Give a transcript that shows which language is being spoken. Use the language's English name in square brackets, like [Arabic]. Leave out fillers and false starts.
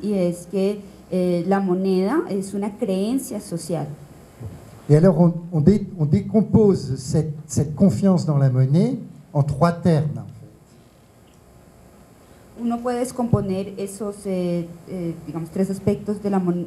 [Spanish] y es que la moneda es una creencia social. Y [French] alors on décompose cette confiance dans la monnaie en trois termes. [Spanish] Uno puede descomponer esos digamos tres aspectos de la